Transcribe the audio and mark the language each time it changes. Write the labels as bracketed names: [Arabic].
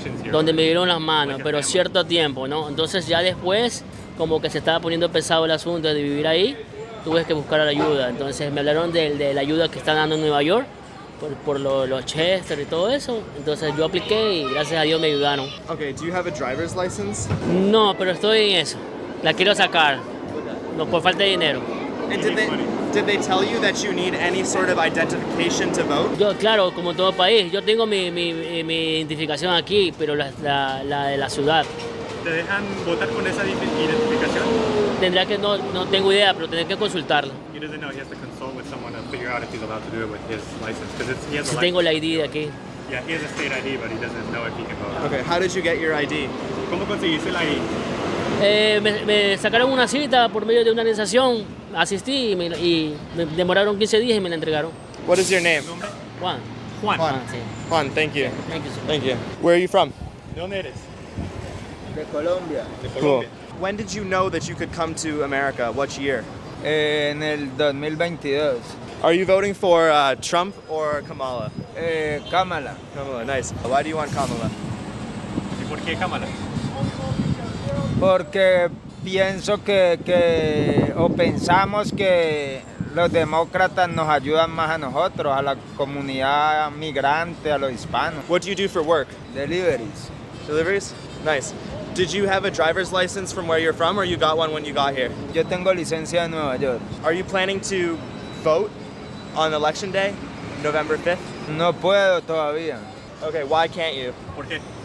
[Spanish] Donde me dieron las manos, pero cierto tiempo, ¿no? Entonces ya después, como que se estaba poniendo pesado el asunto de vivir ahí, tuve que buscar la ayuda. Entonces me hablaron de la ayuda que están dando en Nueva York, por los Chester y todo eso. Entonces yo apliqué y gracias a Dios me ayudaron. [English] Okay, do you have a driver's license? [Spanish] No, pero estoy en eso. La quiero sacar, no, por falta de dinero. [English] Did they tell you that you need any sort of identification to vote? [Spanish] Yo, claro, como todo país, yo tengo mi identificación aquí, pero la de la ciudad. ¿Te dejan votar con esa identificación? Tendría que, no tengo idea, pero tendría que consultarlo. [English] He doesn't know, he has to consult with someone to figure out if he's allowed to do it with his license. Because he has a license. [Spanish] Sí, tengo la ID de aquí. [English] Yeah, he has a state ID, but he doesn't know if he can vote. Okay, how did you get your ID? [Spanish] ¿Cómo conseguiste la ID? Me sacaron una cita por medio de una organización, asistí y me demoraron 15 días y me la entregaron. [English] What is your name? Juan. Juan. Juan, [Spanish] sí. [English] Juan, thank you. Thank you, sir. Thank you. Where are you from? [Spanish] ¿De dónde eres? De Colombia. De Colombia. Cool. [English] When did you know that you could come to America? What year? [Spanish] En el 2022. [English] Are you voting for Trump or Kamala? Kamala. Kamala, nice. Why do you want Kamala? [Spanish] ¿Y por qué Kamala? Porque pienso que o pensamos que los demócratas nos ayudan más a nosotros, a la comunidad migrante, a los hispanos. [English] What do you do for work? Deliveries. Deliveries? Nice. Did you have a driver's license from where you're from, or you got one when you got here? [Spanish] Yo tengo licencia de Nueva York. [English] Are you planning to vote on election day, November 5th? [Spanish] No puedo todavía. [English] Okay, why can't you? [Spanish] ¿Por qué?